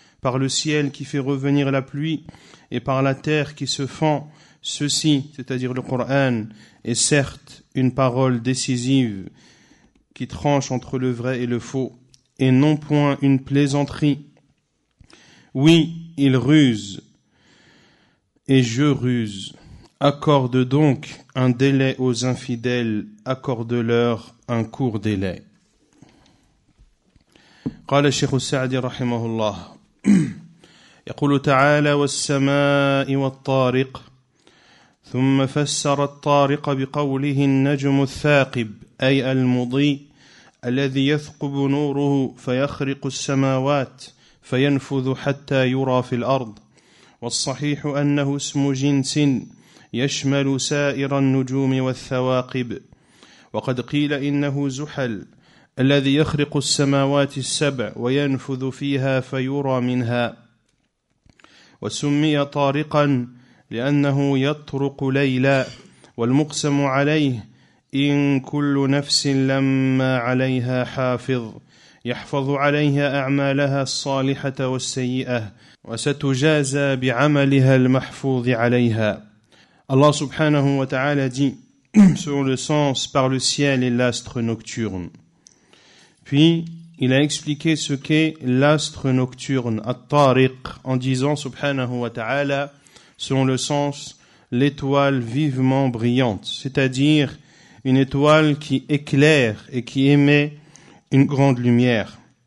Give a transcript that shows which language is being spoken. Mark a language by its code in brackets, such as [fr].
[fr] Par le ciel qui fait revenir la pluie et par la terre qui se fend, ceci, c'est-à-dire le Coran, est certes une parole décisive qui tranche entre le vrai et le faux, et non point une plaisanterie. Oui, il ruse, et je ruse. Accorde donc un délai aux infidèles, accorde-leur un court délai. [ar] قال الشيخ السعدي رحمه الله يقول تعالى والسماء والطارق ثم فسر الطارق بقوله النجم الثاقب أي المضيء الذي يثقب نوره فيخرق السماوات فينفذ حتى يرى في الأرض والصحيح أنه اسم جنس يشمل سائر النجوم والثواقب وقد قيل إنه زحل الذي يخرق السماوات السبع وينفذ فيها فيرى منها وسمي طارقا لأنه يطرق ليلا والمقسم عليه إن كل نفس لما عليها حافظ يحفظ عليها أعمالها الصالحة والسيئة وستجازى بعملها المحفوظ عليها. [fr] Allah subhanahu wa ta'ala dit selon le sens par le ciel et l'astre nocturne. Puis il a expliqué ce qu'est l'astre nocturne, At-Tariq, en disant subhanahu wa ta'ala selon le sens l'étoile vivement brillante, c'est-à-dire une étoile qui éclaire et qui émet une grande lumière.